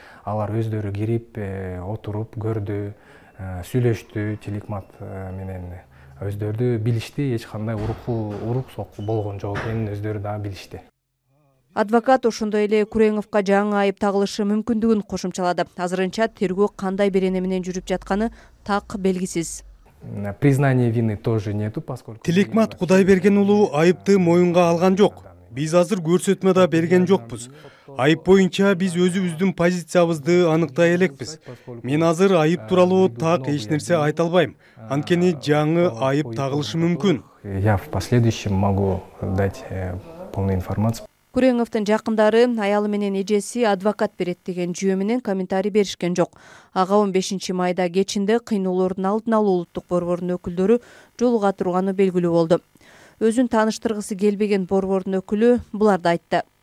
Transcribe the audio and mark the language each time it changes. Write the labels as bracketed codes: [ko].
[ky] Алар өздөрү кирип, отуруп, көрдү, сүйлөштү, Телекмат менен өздөрдү билишти, эч кандай урук сокку болгон жок экенин өздөрү дагы билишти. Адвокат ошондой эле Күрөңовго жаңы айып тагылышы мүмкүндүгүн кошумчалады. Азырынча тергөө кандай берене менен жүрүп жатканы так белгисиз. [ru] Признание вины тоже нету, поскольку [ky] Телекмат Кудайберген уулу айыпты моюнга алган жок. Биз азыр көрсөтмө да берген жокпуз. Айып боюнча биз өзүбүздүн позициябызды аныктай элекпиз. Мен азыр айып тууралуу так эч нерсе айта албайм. Анткени жаңы айып тагылышы мүмкүн. [ru] Я в последующем могу дать полную информацию. [ky] Күрөңовтун жакындары, аялы менен эжеси адвокат берет деген жүйө менен комментарий беришкен жок. Ага 15 майда кечинде кыйноолордун алдын алуу улуттук борбордун өкүлдөрү жолуга турганы белгилүү болду. Өзүн тааныштыргысы келбеген борбордун өкүлү буларды айтты.